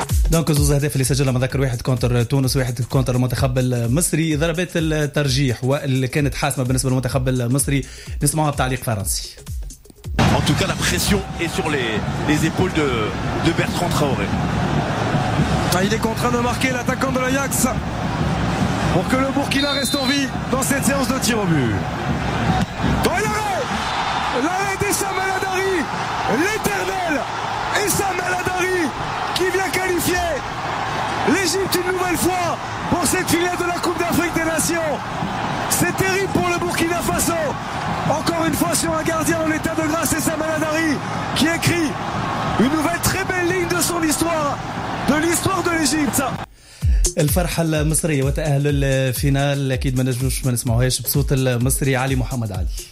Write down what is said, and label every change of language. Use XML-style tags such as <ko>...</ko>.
<ar>دونك زوز اهداف اللي سجلها مذكر واحد كونتر تونس واحد كونتر المنتخب المصري ضربات الترجيح واللي كانت حاسمه بالنسبه للمنتخب المصري نسمعوها بتعليق فرنسي</ar> <fr>en tout cas la pression est sur les épaules de Bertrand Traoré il est contraint de marquer l'attaquant de l'Ajax pour que le Burkina reste en vie dans cette séance de tir au but dans l'arrêt l'arrêt de Issa El Haddari l'éternel Issa El Haddari qui vient qualifier l'Égypte une nouvelle fois pour cette finale de la Coupe d'Afrique des Nations c'est terrible pour le Burkina Faso encore une fois sur un gardien en état de grâce Issa El Haddari qui écrit une nouvelle très belle ligne de son histoire de l'histoire de l'Égypte</fr> <ar>الفرحة المصرية وتأهل الفينال أكيد ما نجموش ما نسمعوهاش بصوت المصري علي محمد علي</ar>